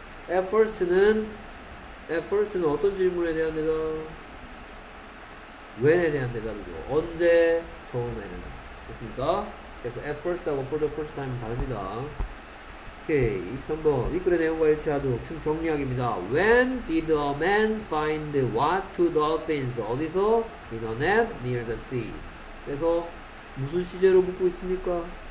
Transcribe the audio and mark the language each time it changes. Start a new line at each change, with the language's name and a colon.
Korean: At first는 어떤 질문에 대한 대답? When에 대한 대답이죠. 언제? 처음에는. 됐습니까? 그래서 at first하고 for the first time은 다릅니다. 오케이. 23번. 이 글의 내용과 일치하도록 총 정리하기입니다.
English: When did a man find what two dolphins?
Korean: 어디서?
English: In a net near the sea.
Korean: 그래서 무슨 시제로 묻고 있습니까?